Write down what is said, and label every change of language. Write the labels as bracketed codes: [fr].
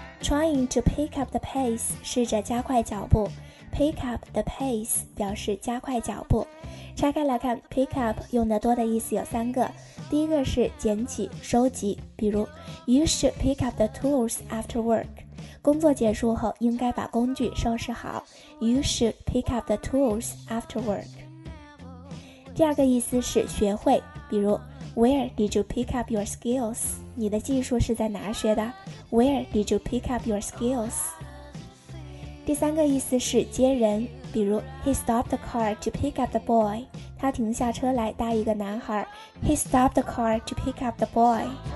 [en] trying to pick up the pace, [zh] 试着加快脚步。 [en] Pick up the pace [zh] 表示加快脚步。拆开来看 ,pick up 用得多的意思有三个。第一个是捡起、收集，比如 , [en] you should pick up the tools after work. [zh] 工作结束后应该把工具收拾好。 [en] You should pick up the tools after work. [zh] 第二个意思是学会，比如 , [en] where did you pick up your skills? [zh] 你的技术是在哪学的 ? [en] where did you pick up your skills? [zh] 第三个意思是接人，比如 [en] He stopped the car to pick up the boy. [zh] 他停下车来搭一个男孩。 [en] He stopped the car to pick up the boy.